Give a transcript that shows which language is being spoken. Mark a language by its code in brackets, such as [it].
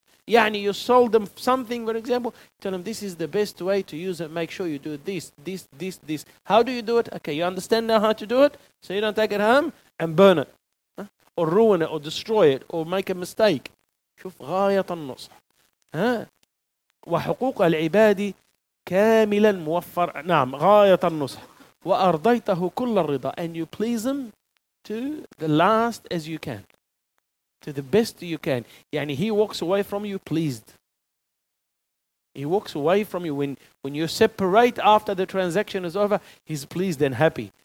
[en] يعني you sold them something, for example, tell them this is the best way to use it, make sure you do this. How do you do it? Okay, you understand now how to do it, so you don't take it home and burn it, or ruin it, or destroy it, or make a mistake. [ar] شوف غاية النصح. وحقوق العباد كاملا موفر. نعم غاية النصح. وأرضيته كل الرضا. [en] And you please them to the last as you can. To the best you can. Yani he walks away from you pleased. He walks away from you. When you separate after the transaction is over, he's pleased and happy.